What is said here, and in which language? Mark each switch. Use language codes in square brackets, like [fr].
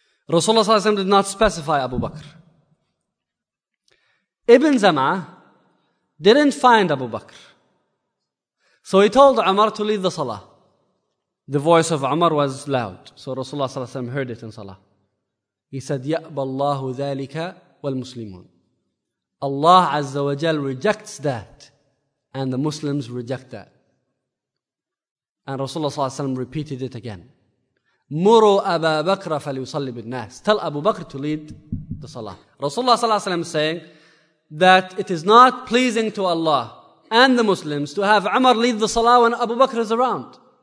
[en] Rasulullah sallallahu alayhi wa sallam did not specify Abu Bakr. Ibn Zam'ah didn't find Abu Bakr. So he told Umar to lead the salah. The voice of Umar was loud. So Rasulullah sallallahu alayhi wa sallam heard it in salah. He said, [ar] يَأْبَ اللَّهُ ذَلِكَ وَالْمُسْلِمُونَ. [en] Allah Azza wa Jal rejects that, and the Muslims reject that. And Rasulullah sallallahu alayhi wa sallam repeated it again. [ar] مُرُوا أَبَا بَكْرَ فَلْيُصَلِّ بِالنَّاسِ. [en] Tell Abu Bakr to lead the salah. Rasulullah sallallahu alayhi wa sallam saying that it is not pleasing to Allah and the Muslims to have Umar lead the salah when Abu Bakr is around.